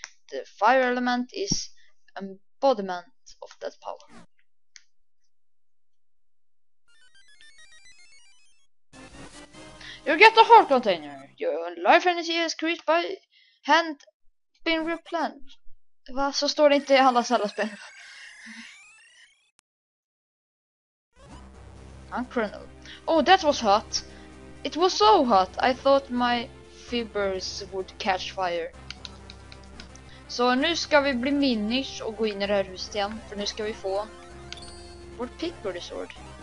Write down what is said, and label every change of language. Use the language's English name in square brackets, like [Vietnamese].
[English] The fire element is embodiment of that power. You get the heart container. Your life energy is created by hand been replenished. [Swedish] Va, så står det inte i alla Zelda-spel. [English] Unchronal. Oh, that was hot. It was so hot, I thought my fibers would catch fire. [Swedish] Så nu ska vi bli minish och gå in i det här huset igen, för nu ska vi få vårt pickbirdy sword.